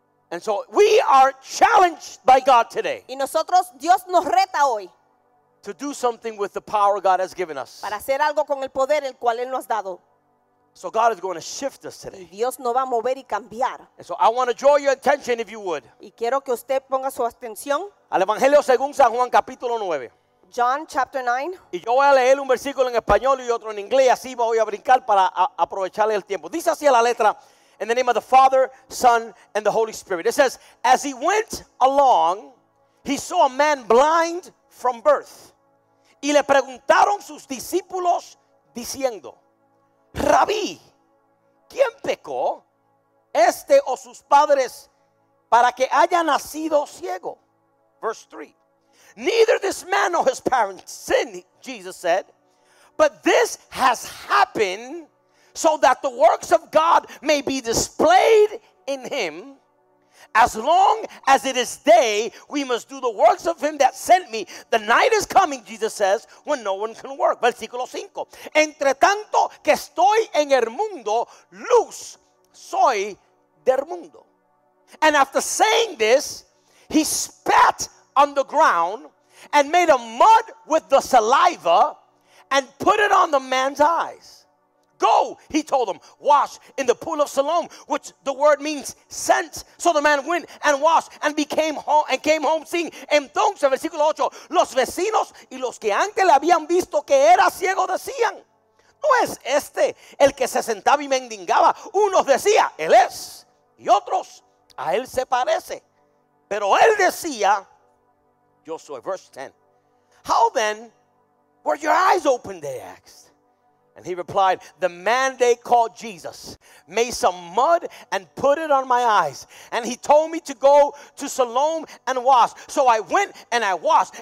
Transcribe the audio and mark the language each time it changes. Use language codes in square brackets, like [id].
[en] And so we are challenged by God today. [es] Y nosotros, Dios nos reta hoy. [en] To do something with the power God has given us. [es] Para hacer algo con el poder el cual él nos ha dado. [en] So God is going to shift us today. [es] Y Dios nos va a mover y cambiar. [en] And so I want to draw your attention, if you would. [es] Y quiero que usted ponga su atención. Al Evangelio según San Juan capítulo 9. [en] John chapter 9. [es] Y yo voy a leer un versículo en español y otro en inglés. Así voy a brincar para aprovecharle el tiempo. Dice así la letra. [en] In the name of the Father, Son, and the Holy Spirit. It says, as he went along, he saw a man blind from birth. [es] Y le preguntaron sus discípulos diciendo, Rabí, ¿quién pecó? ¿Este o sus padres para que haya nacido ciego? [en] Verse 3. Neither this man nor his parents sinned, Jesus said, but this has happened so that the works of God may be displayed in him. As long as it is day, we must do the works of him that sent me. The night is coming, Jesus says, when no one can work. [es] Versículo 5. Entre tanto que estoy en el mundo, luz soy del mundo. [en] And after saying this, he spat on the ground and made a mud with the saliva and put it on the man's eyes. Go, he told them, wash in the pool of Siloam, which the word means sent. So the man went and washed and came home seeing. [es] Entonces, versículo 8, los vecinos y los que antes le habían visto que era ciego decían, no es este el que se sentaba y mendigaba. Unos decía, él es, y otros, a él se parece. Pero él decía, yo soy. [en] Verse 10, how then were your eyes open, they asked. And he replied, the man they called Jesus made some mud and put it on my eyes. And he told me to go to Siloam and wash. So I went and I washed.